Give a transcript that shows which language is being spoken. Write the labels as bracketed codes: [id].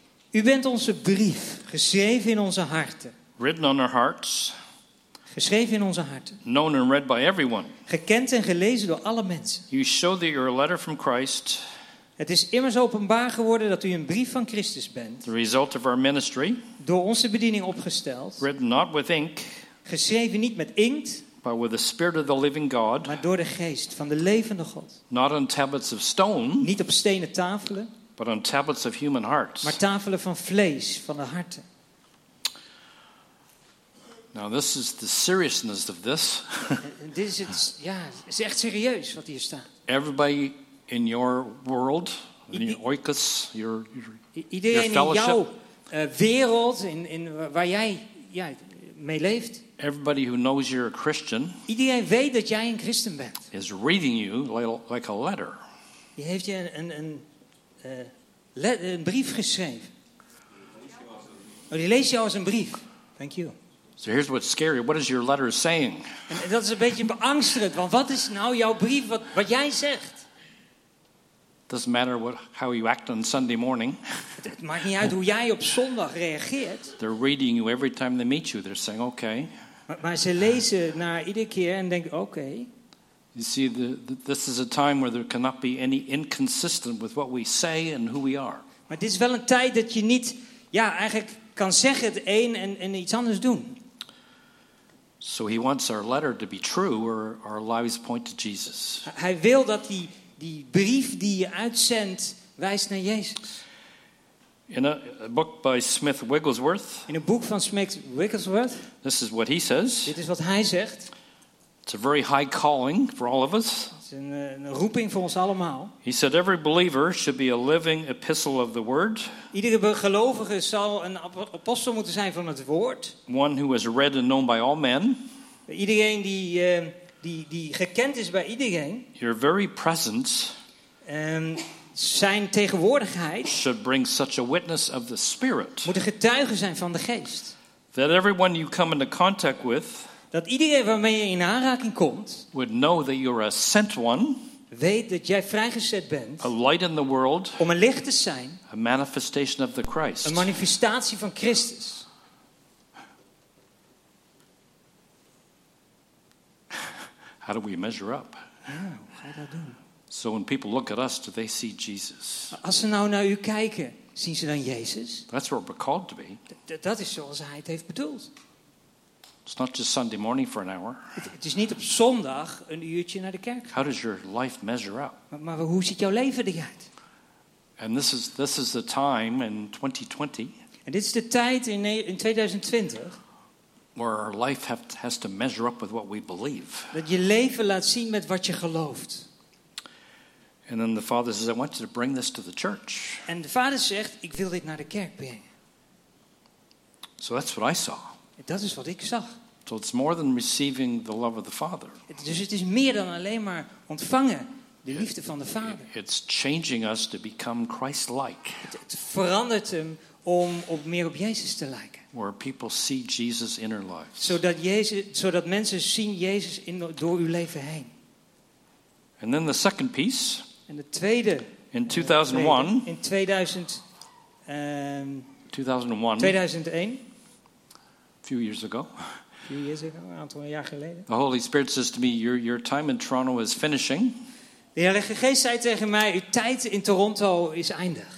[nl] U bent onze brief, geschreven in onze harten. [en] Written on our hearts. [nl] Geschreven in onze harten. [en] Known and read by everyone. [nl] Gekend en gelezen door alle mensen. [en] You show that you're a letter from Christ. [nl] Het is immers openbaar geworden dat u een brief van Christus bent. [en] The result of our ministry. [nl] Door onze bediening opgesteld. [en] Written not with ink. [nl] Geschreven niet met inkt. [en] But with the Spirit of the living God. [nl] Maar door de geest van de levende God. [en] Not on tablets of stone. [nl] Niet op stenen tafelen. [en] But on tablets of human hearts. [nl] Maar tafelen van vlees, van de harten. [en] Now this is the seriousness of this. [nl] Dit is het, ja, het is echt serieus wat hier staat. [en] Everybody in your world, in your oikos, your [nl] iedereen [en] fellowship, [nl] in jouw wereld, in waar jij mee leeft. [en] Everybody who knows you're a Christian. [nl] Iedereen weet dat jij een christen bent. [en] Is reading you like a letter. [nl] Je heeft je een brief geschreven. Oh, die leest je als een brief. [en] Thank you. So here's what's scary. What is your letter saying? [nl] En dat is een beetje beangstigend. Want wat is nou jouw brief? Wat jij zegt? [en] Doesn't matter how you act on Sunday morning. [nl] Het maakt niet uit hoe jij op zondag reageert. [en] They're reading you every time they meet you. They're saying, okay. [nl] Maar ze lezen naar iedere keer en denken, okay. [en] You see, this is a time where there cannot be any inconsistent with what we say and who we are. [nl] Maar dit is wel een tijd dat je niet, eigenlijk kan zeggen het een en iets anders doen. [en] So he wants our letter to be true, or our lives point to Jesus. [nl] Hij wil dat die brief die je uitzendt wijst naar Jezus. [en] In a book by Smith Wigglesworth. [nl] In een boek van Smith Wigglesworth. [en] This is what he says. [nl] Dit is wat hij zegt. [en] It's a very high calling for all of us. [nl] Het is een roeping voor ons allemaal. [en] He said every believer should be a living epistle of the word. [nl] Iedere gelovige zal een apostel moeten zijn van het woord. [en] One who is read and known by all men. [nl] Iedereen die gekend is bij iedereen. [en] Your very presence. [nl] Zijn tegenwoordigheid [en] should bring such a witness of the Spirit. [nl] Moet een getuige zijn van de geest. [en] That everyone you come into contact with, [nl] dat iedereen waarmee je in aanraking komt, [en] would know that you're a sent one. [nl] Weet dat jij vrijgezet bent. [en] A light in the world, [nl] om een licht te zijn. [en] A manifestation of the Christ. [nl] Een manifestatie van Christus. [en] How do we measure up? [nl] Oh, hoe ga je dat doen? [en] So when people look at us, do they see Jesus? [nl] Als ze nou naar u kijken, zien ze dan Jezus? [en] That's what we're called to be. [nl] Dat is zoals hij het heeft bedoeld. [en] It's not just Sunday morning for an hour. [nl] Het is niet op zondag een uurtje naar de kerk. [en] How does your life measure up? [nl] Maar hoe ziet jouw leven eruit? [en] And this is the time in 2020. [nl] En dit is de tijd in 2020. [en] Where our life has to measure up with what we believe. [nl] Dat je leven laat zien met wat je gelooft. [en] And then the Father says, "I want you to bring this to the church." [nl] En de Vader zegt, ik wil dit naar de kerk brengen. [en] So that's what I saw. [nl] Dat is wat ik zag. [en] So it's more than receiving the love of the Father. [nl] Dus het is meer dan alleen maar ontvangen de liefde van de Vader. [en] It's changing us to become Christ-like. [nl] Het verandert hem om op meer op Jezus te lijken. [en] Where people see Jesus in their lives. [nl] Zodat mensen zien Jezus door uw leven heen. [en] And then the second piece. [nl] En de tweede. [en] In 2001. [nl] In 2000. [en] 2001. [nl] 2001. [en] Few years ago. Few years ago, [nl] een aantal jaar geleden. [en] The Holy Spirit says to me, your time in Toronto is finishing. [nl] De Heilige Geest zei tegen mij, uw tijd in Toronto is eindig.